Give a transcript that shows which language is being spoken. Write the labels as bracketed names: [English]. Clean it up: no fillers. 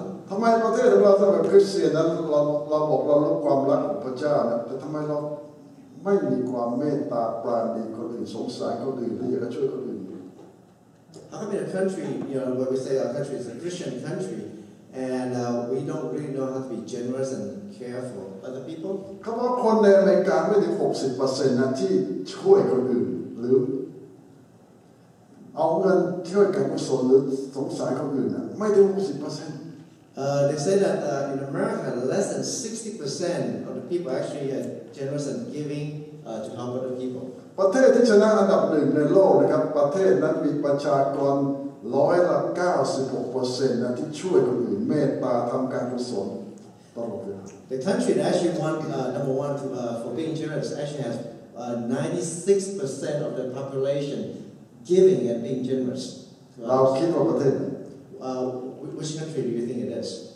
[Thai] ทำไมประเทศของเราสำหรับคริสเตียนนั้นเราบอกเรารักความรักของพระเจ้านะแต่ทำไมเราไม่มีความเมตตาปราณีคนอื่นสงสารคนอื่นหรืออยากช่วยคนอื่น [English] How come in a country you know where we say our country is a Christian country And we don't really know how to be generous and care for other people. [Thai] เขาบอกคนในอเมริกาไม่ถึง 60% นะที่ช่วยคนอื่นหรือเอาเงินช่วยกับคนหรือสงสารคนอื่นนะไม่ถึง 60% [English] They say that in America, less than 60% of the people actually are generous and giving to help other people. [Thai] ประเทศที่ชนะอันดับหนึ่งในโลกนะครับประเทศนั้นมีประชากร196%นะที่ช่วยคนอื่นเมตตาทำการกุศลตลอดเวลา [English] The country that actually won number one for being generous actually has 96% of the population giving and being generous. [Thai] เราคิดว่าประเทศ [English] Which country do you think it is?